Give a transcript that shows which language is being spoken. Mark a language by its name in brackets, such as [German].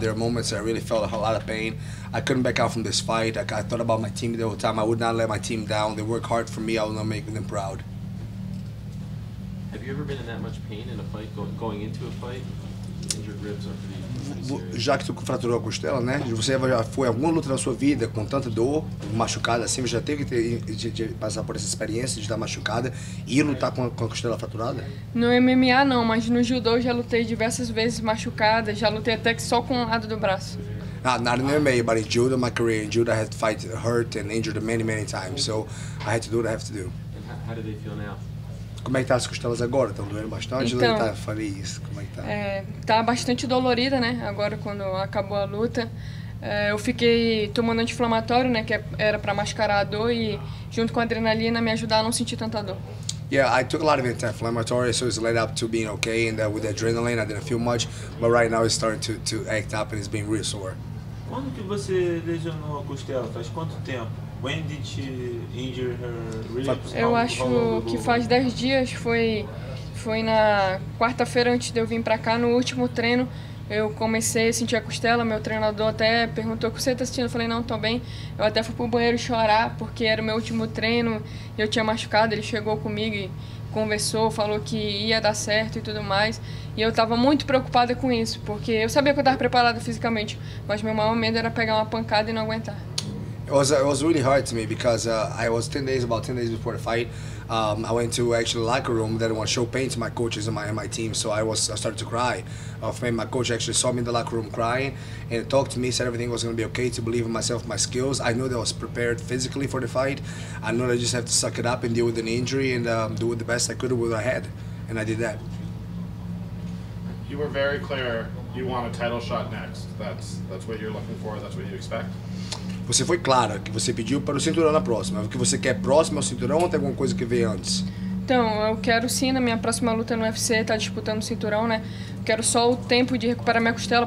[English] There are moments I really felt a lot of pain. I couldn't back out from this fight. I thought about my team the whole time. I would not let my team down. They work hard for me. I will not make them proud. Have you ever been in that much pain in a fight, going into a fight? Injured ribs are pretty serious. [Portuguese] Já que tu fraturou a costela, né? Você já foi alguma luta na sua vida com tanta dor, machucada assim? Você já teve que passar por essa experiência de estar machucada e lutar com a costela fraturada? No MMA não, mas no judô já lutei diversas vezes machucada, já lutei até que só com um lado do braço. [English] Not in MMA, but in judo, my career in judo, I had to fight hurt and injured many times, so I had to do what I have to do. And how do they feel now? [Portuguese] Como é que tá as costelas agora? Estão doendo bastante? Então, falei isso, como é que tá? Tá bastante dolorida, né? Agora, quando acabou a luta. Eu fiquei tomando anti-inflamatório, né? Que era para mascarar a dor e, junto com a adrenalina, me ajudar a não sentir tanta dor. [English] Yeah, I took a lot of anti-inflammatory, so it's led up to being okay. And with the adrenaline, I didn't feel much. But right now, it's starting to act up and it's being real sore. [Portuguese] Quando que você lesionou a costela? Faz quanto tempo? [English] When did she injure her ribs? [Portuguese] Eu acho que faz 10 dias, foi na quarta-feira antes de eu vir pra cá, no último treino. Eu comecei a sentir a costela, meu treinador até perguntou, o que você tá sentindo? Eu falei, não, tô bem. Eu até fui pro banheiro chorar, porque era o meu último treino, eu tinha machucado, ele chegou comigo e conversou, falou que ia dar certo e tudo mais. E eu tava muito preocupada com isso, porque eu sabia que eu tava preparada fisicamente, mas meu maior medo era pegar uma pancada e não aguentar. [English] It was really hard to me because I was 10 days, about 10 days before the fight. I went to actually the locker room. They didn't want to show pain to my coaches and my team. So I started to cry. My coach actually saw me in the locker room crying and talked to me, said everything was going to be okay, to believe in myself, my skills. I knew that I was prepared physically for the fight. I knew that I just have to suck it up and deal with an injury and do the best I could with what I had. And I did that. You were very clear you want a title shot next. That's what you're looking for. That's what you expect. [Portuguese] Você foi clara que você pediu para o cinturão na próxima. O que você quer próximo ao cinturão ou tem alguma coisa que vem antes? Então, eu quero sim, na minha próxima luta no UFC, estar disputando o cinturão, né? Quero só o tempo de recuperar minha costela.